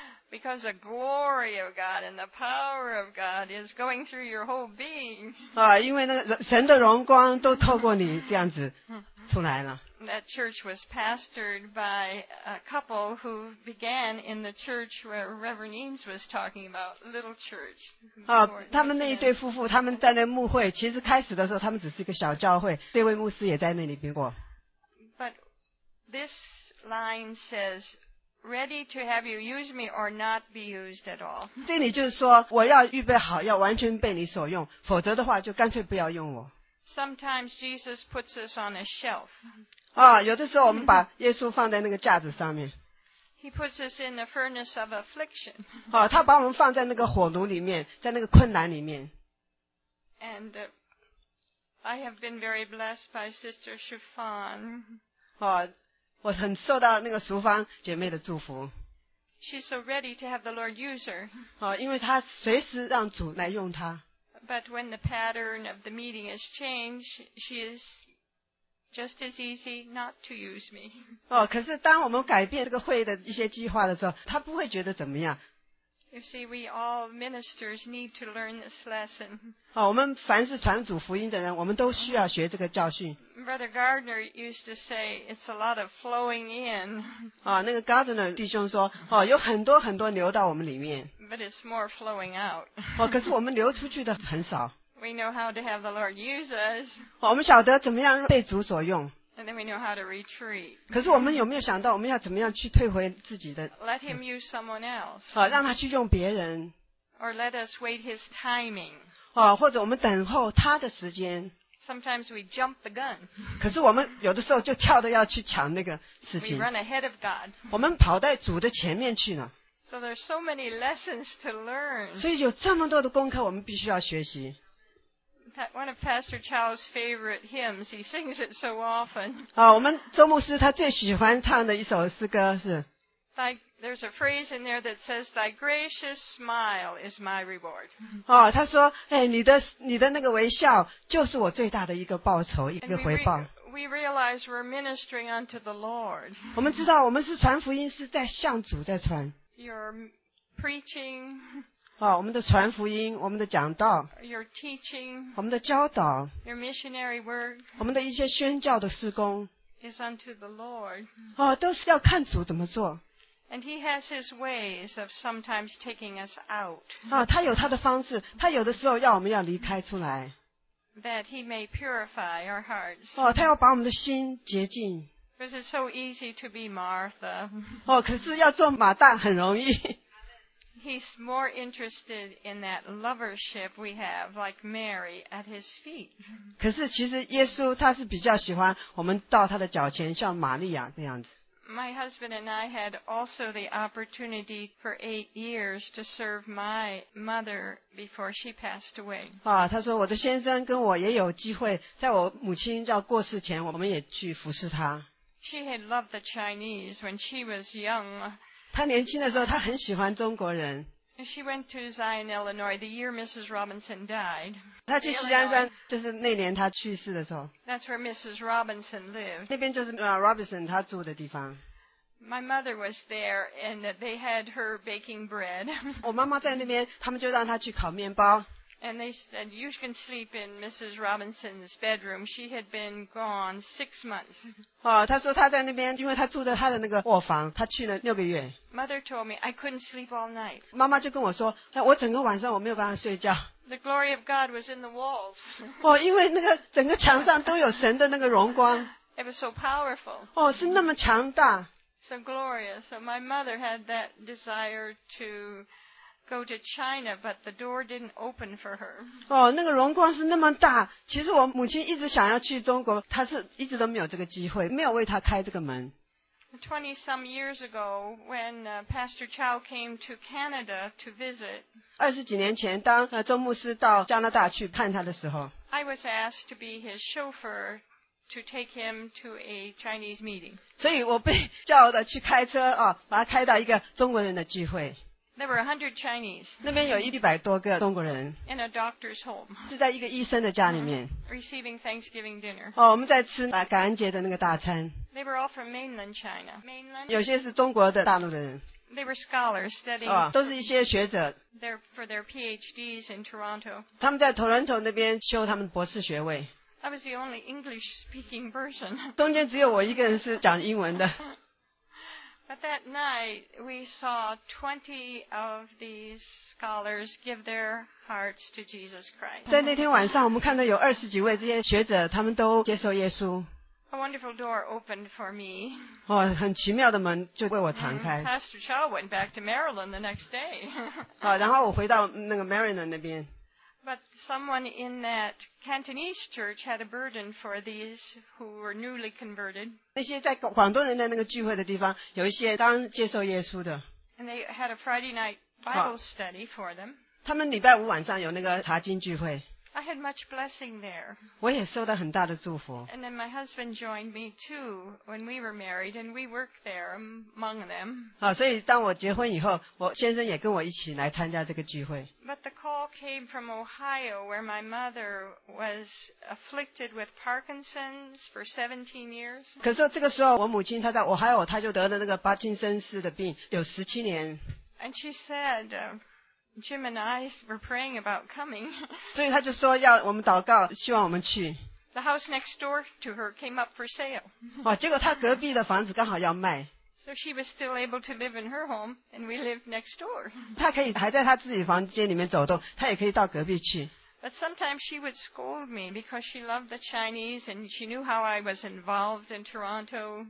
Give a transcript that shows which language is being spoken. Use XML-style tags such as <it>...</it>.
<en>Because the glory of God and the power of God is going through your whole being.</en> <zh>啊，因为那个神的荣光都透过你这样子出来了。</zh> <en>That church was pastored by a couple who began in the church where Reverend Eanes was talking about, little church.</en> <zh>啊，他们那一对夫妇，他们在那牧会，其实开始的时候他们只是一个小教会，这位牧师也在那里经过。</zh> <en>This line says, ready to have you use me or not be used at all.</en> <zh>这里就是说我要预备好要完全被你所用否则的话就干脆不要用我。</zh> <en>Sometimes Jesus puts us on a shelf.</en> <zh>啊，有的时候我们把耶稣放在那个架子上面。</zh> <en>He puts us in the furnace of affliction.</en> <zh>啊，他把我们放在那个火炉里面在那个困难里面。</zh> <en>And I have been very blessed by Sister Chiffon.</en> <zh>啊，我很受到那个淑芳姐妹的祝福。</zh> <en>She's so ready to have the Lord use her.</en> <zh>哦，因为她随时让主来用她。</zh> <en>But when the pattern of the meeting has changed, she is just as easy not to use me.</en> <zh>哦，可是当我们改变这个会的一些计划的时候，她不会觉得怎么样。</zh> <en>You see, we all ministers need to learn this lesson.</en> <zh>哦，我们凡是传主福音的人，我们都需要学这个教训。</zh> <en>Brother Gardner used to say, "It's a lot of flowing in."</en> <zh>啊，那个 Gardner 弟兄说，哦，有很多很多流到我们里面。</zh> <en>But it's more flowing out.</en> <zh>哦，可是我们流出去的很少。</zh> <en>We know how to have the Lord use us.</en> <zh>哦，我们晓得怎么样被主所用。</zh> <en>And then we know how to retreat.</en> <zh>可是我们有没有想到我们要怎么样去退回自己的</zh> <en>Let him use someone else.</en> <zh>好，让他去用别人。</zh> <en>Or let us wait his timing.</en> <zh>哦，或者我们等候他的时间。</zh> <en>Sometimes we jump the gun.</en> <zh>可是我们有的时候就跳着要去抢那个事情。</zh> <en>We run ahead of God.</en> <zh>我们跑在主的前面去呢。</zh> <en>So there's so many lessons to learn.</en> <zh>所以有这么多的功课我们必须要学习。</zh> <en>one of Pastor Chow's favorite hymns. He sings it so often.</en> <zh>好，我们周牧师他最喜欢唱的一首诗歌是。</zh> <en>There's a phrase in there that says, "Thy gracious smile is my reward."</en> <zh>哦，他说，哎，你的那个微笑就是我最大的一个报酬，一个回报。</zh> <en>We realize we're ministering unto the Lord.</en> <zh>我们知道我们是传福音，是在向主在传。</zh> <en>You're preaching.</en> <zh>哦，我们的传福音，我们的讲道。</zh> <en>You're teaching.</en> <zh>我们的教导。</zh> <en>Your missionary work.</en> <zh>我们的一些宣教的事工。</zh> <en>Is unto the Lord.</en> <zh>哦，都是要看主怎么做。</zh> <en>And he has his ways of sometimes taking us out.</en> <zh>啊，他有他的方式，他有的时候要我们要离开出来。</zh> <en>That he may purify our hearts.</en> <zh>哦，他要把我们的心洁净。</zh> <en>Because it's so easy to be Martha.</en> <zh>哦，可是要做马大很容易。</zh> <en>He's more interested in that lovership we have, like Mary at his feet.</en> <zh>可是其实耶稣他是比较喜欢我们到他的脚前，像玛利亚那样子。</zh> <en>My husband and I had also the opportunity for 8 years to serve my mother before she passed away.</en> <zh>啊，他说我的先生跟我也有机会，在我母亲要过世前，我们也去服侍她。</zh> <en>She had loved the Chinese when she was young.</en> <zh>她年轻的时候，她很喜欢中国人。</zh> <en>She went to Zion, Illinois, the year Mrs. Robinson died.</en> <zh>她去西安山，就是那年她去世的时候。</zh> <en>That's where Mrs. Robinson lived.</en> <zh>那边就是Robinson 她住的地方。</zh> <en>My mother was there, and they had her baking bread.</en> <zh>我妈妈在那边，他们就让她去烤面包。</zh> <en>And they said, you can sleep in Mrs. Robinson's bedroom. She had been gone 6 months.</en> <zh>哦，他说他在那边，因为他住在他的那个卧房，他去了6个月。</zh> <en>Mother told me, I couldn't sleep all night.</en> <zh>妈妈就跟我说，我整个晚上我没有办法睡觉。</zh> <en>The glory of God was in the walls.</en> <zh>哦，因为那个整个墙上都有神的那个荣光。</zh> <en>It was so powerful.</en> <zh>哦，是那么强大。</zh> <en>So glorious. So my mother had that desire to... go to China, but the door didn't open for her.</en> <zh>哦，那个荣光是那么大。其实我母亲一直想要去中国，她是一直都没有这个机会，没有为她开这个门。</zh> <en>20 some years ago, when Pastor Chow came to Canada to visit,</en> <zh>二十几年前，当周牧师到加拿大去看他的时候</zh> <en>，I was asked to be his chauffeur to take him to a Chinese meeting.</en> <zh>所以我被叫的去开车啊，把他开到一个中国人的聚会。</zh> <en>There were 100 Chinese.</en> <zh>那边有100多个中国人。</zh> <en>In a doctor's home.</en> <zh>是在一个医生的家里面。</zh> <en>Receiving Thanksgiving dinner.</en> <zh>哦，我们在吃感恩节的那个大餐。</zh> <en>They were all from mainland China.</en> <zh>有些是中国的大陆的人。</zh> <en>They were scholars studying.</en> <zh>哦，都是一些学者。</zh> <en>They're for their PhDs in Toronto.</en> <zh>他们在 Toronto 那边修他们博士学位。</zh> <en>I was the only English-speaking person.</en> <zh>中间只有我一个人是讲英文的。</zh> <en>But that night, we saw 20 of these scholars give their hearts to Jesus Christ.</en> <zh>在那天晚上，我们看到有二十几位这些学者，他们都接受耶稣。</zh> <en>A wonderful door opened for me.</en> <zh>哦，很奇妙的门就为我敞开。</zh> <en>Pastor Chow went back to Maryland the next day.</en> <zh>哦，然后我回到那个 Maryland 那边。</zh> <en>But someone in that Cantonese church had a burden for these who were newly converted.</en> <zh>那些在广东人的那个聚会的地方，有一些刚接受耶稣的。</zh> <en>And they had a Friday night Bible study for them.</en> <zh>他们礼拜五晚上有那个查经聚会。</zh> <en>I had much blessing there.</en> <zh>我也受到很大的祝福。</zh> <en>And then my husband joined me too when we were married, and we worked there among them.</en> <zh>好，所以当我结婚以后，我先生也跟我一起来参加这个聚会。</zh> <en>But the call came from Ohio, where my mother was afflicted with Parkinson's for 17 years.</en> <zh>可是这个时候，我母亲她在 Ohio， 她就得了那个巴金森氏的病，有17年。</zh> <en>And she said. Jim and I were praying about coming.</en> <zh>所以他就说要我们祷告，希望我们去。</zh> <en>The house next door to her came up for sale.</en> <zh>哇，结果他隔壁的房子刚好要卖。</zh> <en>So she was still able to live in her home, and we lived next door.</en> <zh>他可以还在他自己房间里面走动，他也可以到隔壁去。</zh> <en>But sometimes she would scold me because she loved the Chinese and she knew how I was involved in Toronto.</en>